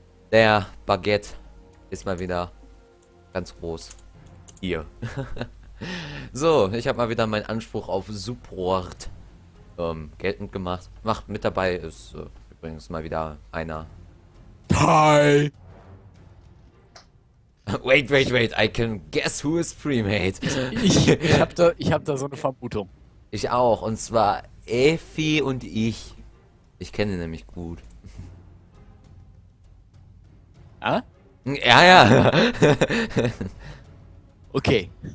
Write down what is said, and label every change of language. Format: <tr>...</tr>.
<de>Der Baguette ist mal wieder ganz groß hier. So, ich habe mal wieder meinen Anspruch auf Support geltend gemacht. Macht mit dabei ist übrigens mal wieder einer. Hi!</de> <en>Wait, I can guess who is pre-made.</en> <de>Ich hab da so eine Vermutung. Ich auch, und zwar Effi und ich. Ich kenne ihn nämlich gut. Ah? Ja. Okay.</de>